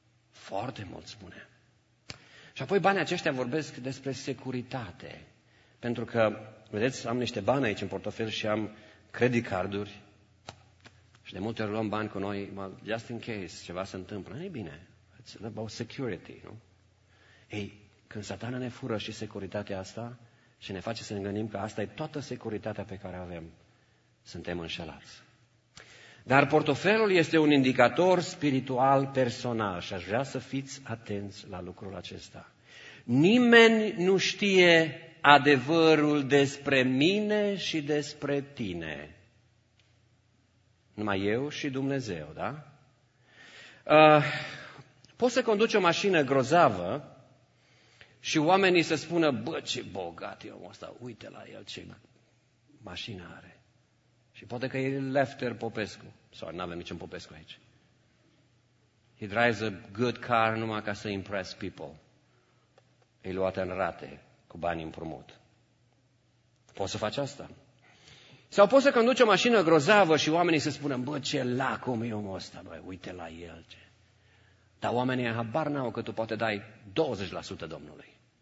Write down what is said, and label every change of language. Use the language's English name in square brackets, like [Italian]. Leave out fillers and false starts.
[Romanian] Foarte mult spune. Și apoi banii aceștia vorbesc despre securitate. Pentru că, vedeți, am niște bani aici în portofel și am credit carduri. Și de multe ori luăm bani cu noi, [English] just in case, [Romanian] ceva se întâmplă. E bine, [English] it's about security, [Romanian] nu? Ei, când Satana ne fură și securitatea asta și ne face să ne gândim că asta e toată securitatea pe care avem, suntem înșelați. Dar portofelul este un indicator spiritual personal și aș vrea să fiți atenți la lucrul acesta. Nimeni nu știe adevărul despre mine și despre tine. Numai eu și Dumnezeu, da? Poți să conduci o mașină grozavă și oamenii să spună, bă, ce bogat e omul ăsta, uite la el ce mașină are. Și poate că e Lefter Popescu. Sau n-avem niciun Popescu aici. [English] He drives a good car [Romanian] numai ca să [English] impress people. [Romanian] E luat în rate cu bani împrumut. Poți să faci asta. Sau poți să conduci o mașină grozavă și oamenii să spună, bă, ce lacom e omul ăsta, bă, uite la el ce. Dar oamenii habar n-au că tu poate dai 20% Domnului.